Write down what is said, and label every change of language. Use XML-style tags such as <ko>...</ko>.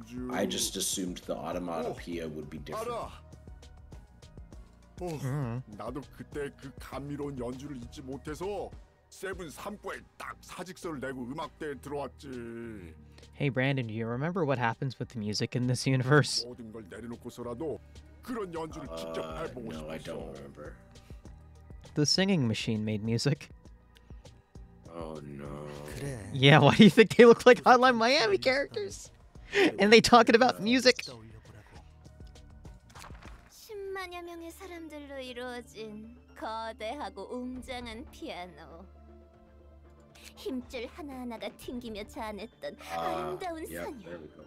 <en>I just assumed the automatopoeia would be different.</en> <ko>Oh, 나도 그때 그 감미로운 연주를 잊지 못해서 세븐 3부에 딱 사직서를 내고 음악대에 들어왔지.</ko> <en>Hey Brandon, do you remember what happens with the music in this universe?</en> <ko>모든 걸 내려놓고서라도 그런 연주를 직접 해보고 싶어.</ko> <en>No, I don't remember. The singing machine made music. Oh no. Yeah, why do you think they look like Hotline Miami characters? And they talking about music?</en> <ko>10만여 명의 사람들로 이루어진 거대하고 웅장한 피아노. 힘줄 하나하나가 튕기며 자아냈던 아름다운 선율.</ko>